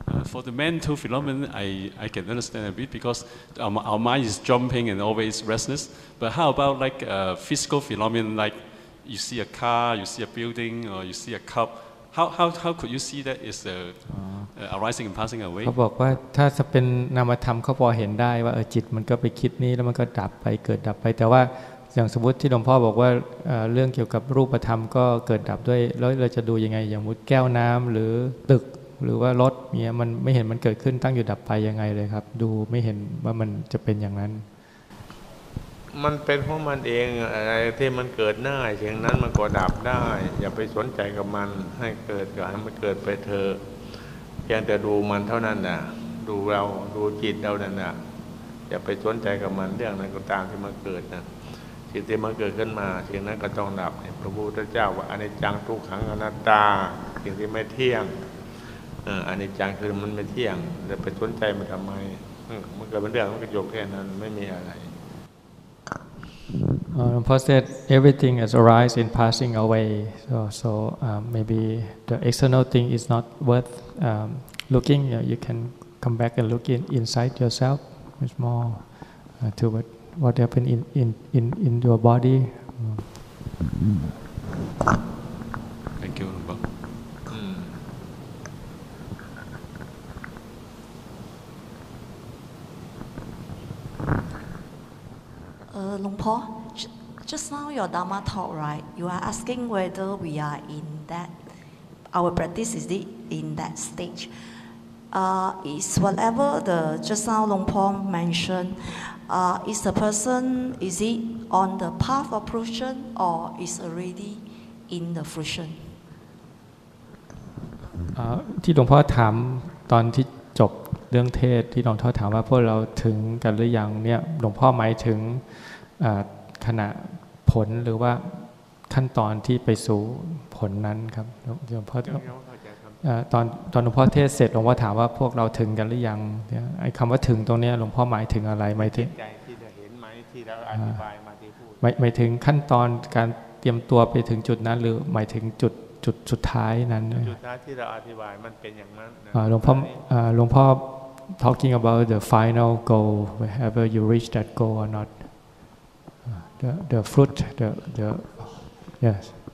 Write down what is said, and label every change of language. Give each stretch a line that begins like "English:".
English: For the mental phenomenon, I can understand a bit because our mind is jumping and always restless. But how about like a physical phenomenon, like you see a car, you see a building, or you see a cup? How could you see that is arising and passing away?
Thai: เขาบอกว่าถ้าจะเป็นนามธรรมเขาพอเห็นได้ว่าจิตมันก็ไปคิดนี้แล้วมันก็ดับไปเกิดดับไปแต่ว่าอย่างสมมติที่หลวงพ่อบอกว่าเรื่องเกี่ยวกับรูปธรรมก็เกิดดับด้วยแล้วเราจะดูยังไงอย่างมุดแก้วน้ำหรือตึกหรือว่ารถเนี่ยมันไม่เห็นมันเกิดขึ้นตั้งอยู่ดับไปยังไงเลยครับดูไม่เห็นว่ามันจะเป็นอย่างนั้น มันเป็นเพราะมันเองอะไรที่มันเกิดได้เช่นนั้นมันก็ดับได้อย่าไปสนใจกับมันให้เกิดก็ให้มันเกิดไปเถอะเพียงแต่ดูมันเท่านั้นน่ะดูเราดูจิตเรานั่นน่ะอย่าไปสนใจกับมันเรื่องนั้นก็ตามที่มันเกิดน่ะสิ่งที่มันเกิดขึ้นมาสิ่งนั้นก็ต้องดับพระพุทธเจ้าว่าอนิจจังทุกขังอนัตตาสิ่งที่ไม่เที่ยงอนิจจังคือมันไม่เที่ยงจะไปสนใจมันทำไมมันเกิดเป็นเรื่องมันก็จบแค่นั้นไม่มีอะไร
English: Paul said everything has arise in passing away so maybe the external thing is not worth looking you can come back and look inside yourself it's more towardWhat happened in your body? Thank you. Luang Por, just now your Dhamma talk, right? You are asking whether we are in that, our practice is in that stage. Is whatever the just now Luang Por mentioned,is the person, is it on the path of fruition or is already in the fruition?
Thai: ที่หลวงพ่อถามตอนที่จบเรื่องเทศที่หลวงพ่อถามว่าพวกเราถึงกันหรือยังเนี่ยหลวงพ่อหมายถึงขณะผลหรือว่าขั้นตอนที่ไปสู่ผลนั้นครับหลวงพ่อตอนหลวงพ่อเทศเสร็จหลวงพ่อถามว่าพวกเราถึงกันหรือยังเนี่ยไอ้คำว่าถึงตรงนี้หลวงพ่อหมายถึงอะไรไหม ที่ จิตใจที่จะเห็นไหมที่เราอธิบายมาที่พูด หมายถึงขั้นตอนการเตรียมตัวไปถึงจุดนั้นหรือหมายถึงจุดสุดท้ายนั้น จุดท้ายที่เราอธิบายมันเป็นอย่างนั้น
English: หลวงพ่อ talking about the final goal whenever you reach that goal or not the fruit the yes